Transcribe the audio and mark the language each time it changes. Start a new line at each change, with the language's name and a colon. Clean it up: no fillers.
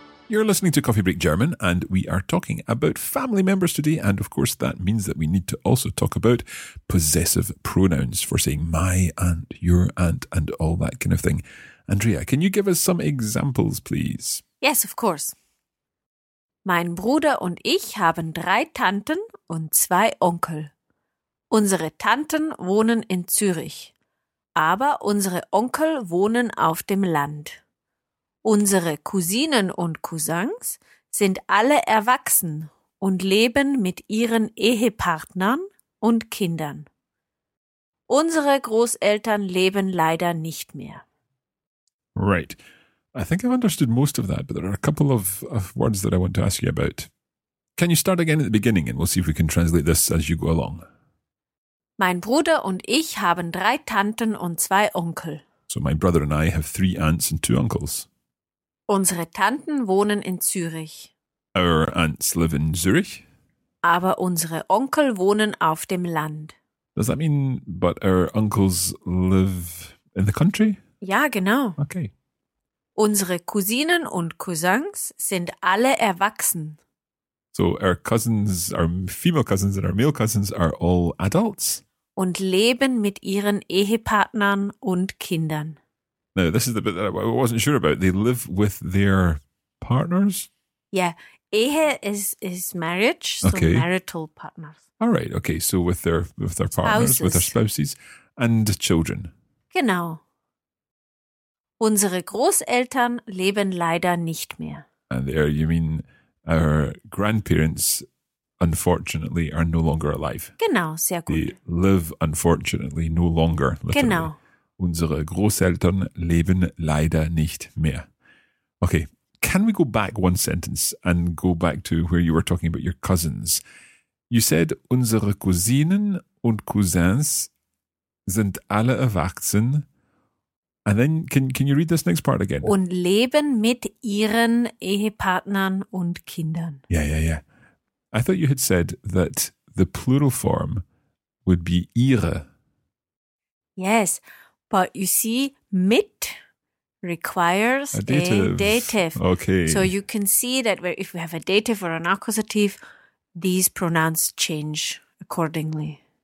English: You're listening to Coffee Break German, and we are talking about family members today. And of course, that means that we need to also talk about possessive pronouns for saying my aunt, your aunt, and all that kind of thing. Andrea, can you give us some examples, please? Yes, of course.
German: Mein Bruder und ich haben 3 Tanten und 2 Onkel. Unsere Tanten wohnen in Zürich, aber unsere Onkel wohnen auf dem Land. Unsere Cousinen und Cousins sind alle erwachsen und leben mit ihren Ehepartnern und Kindern. Unsere Großeltern leben leider nicht mehr.
English: Right. I think I've understood most of that, but there are a couple of words that I want to ask you about. Can you start again at the beginning and we'll see if we can translate this as you go along?
German: Mein Bruder und ich haben 3 Tanten und 2 Onkel.
English: So my brother and I have 3 aunts and 2 uncles.
German: Unsere Tanten wohnen in Zürich.
English: Our aunts live in Zürich.
German: Aber unsere Onkel wohnen auf dem Land.
English: Does that mean, but our uncles live in the country?
German: Ja, genau.
English: Okay.
German: Unsere Cousinen und Cousins sind alle erwachsen.
English: So our cousins, our female cousins and our male cousins are all adults?
German: und leben mit ihren Ehepartnern und Kindern.
English: Now, this is the bit that I wasn't sure about. They live with their partners? Yeah. Ehe is marriage, so okay. Marital partners. All right, okay. So with their partners, spouses. With their spouses and children.
German: Genau. Unsere Großeltern leben leider nicht mehr.
English: And there you mean our grandparents, unfortunately, are no longer alive.
German: Genau, sehr gut.
English: They live, unfortunately, no longer. Literally.
German: Genau. Unsere Großeltern leben leider nicht mehr.
English: Okay, can we go back one sentence and go back to where you were talking about your cousins? You said,
German: unsere Cousinen und Cousins sind alle erwachsen.
English: And then, can you read this next part again?
German: Und leben mit ihren Ehepartnern und Kindern.
English: Yeah, yeah, yeah. I thought you had said that the plural form would be ihre. Yes, but you see, mit requires a dative. Okay. So you can see that if we have a dative or an accusative, these pronouns change accordingly.